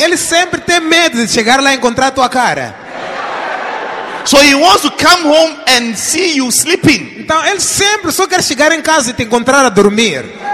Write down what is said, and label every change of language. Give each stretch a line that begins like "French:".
Portuguese: Ele sempre tem medo de chegar lá e encontrar tua cara.
English: So he wants to come home and see you sleeping.
Portuguese: Então ele sempre só quer chegar em casa e te encontrar a dormir.